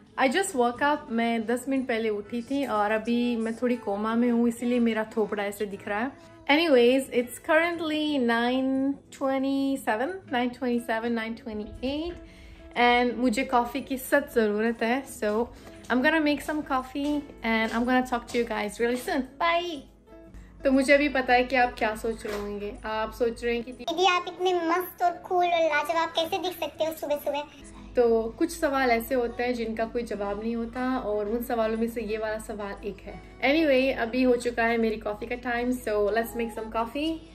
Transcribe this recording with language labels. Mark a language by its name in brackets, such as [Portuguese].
[English] I just woke up, [Hindi] मैं 10 minute पहले उठी थी और अभी मैं थोड़ी कोमा में हूँ इसीलिए मेरा थोपड़ा ऐसे दिख रहा है। [English] Anyways, it's currently 9:28 and [Hindi] मुझे कॉफ़ी की सख्त ज़रूरत है, [English] so I'm gonna make some coffee and I'm gonna talk to you guys really soon. Bye! [Hindi] तो मुझे अभी पता है कि आप क्या सोच रहे होंगे। आप सोच रहे हैं कि दीदी आप इतने मस्त और कूल और लाजवाब कैसे दिख सकते हो सुबह सुबह। तो कुछ सवाल ऐसे होते हैं जिनका कोई जवाब नहीं होता और उन सवालों में से ये वाला सवाल एक है। एनीवे अभी हो चुका है मेरी कॉफी का time, [English] So let's make some coffee.